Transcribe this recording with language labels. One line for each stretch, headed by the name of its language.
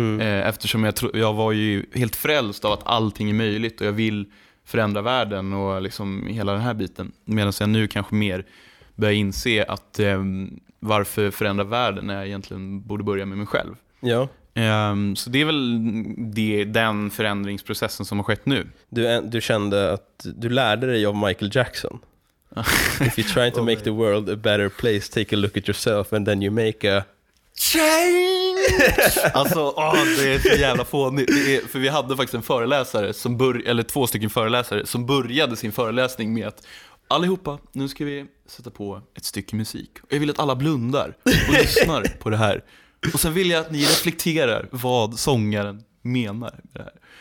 Swedish: Eftersom jag var ju helt frälst av att allting är möjligt och jag vill förändra världen och liksom hela den här biten, medan jag nu kanske mer börjar inse att varför förändra världen när jag egentligen borde börja med mig själv. Ja. Så det är väl den förändringsprocessen som har skett nu. Du kände att du lärde dig av Michael Jackson.
English: If you're trying to make the world a better place, take a look at yourself and then you make a change.
Swedish: Alltså, det är så jävla fånigt. För vi hade faktiskt en föreläsare som eller två stycken föreläsare som började sin föreläsning med att allihopa, nu ska vi sätta på ett stycke musik. Jag vill att alla blundar och lyssnar på det här. Och sen vill jag att ni reflekterar vad sångaren menar med det här.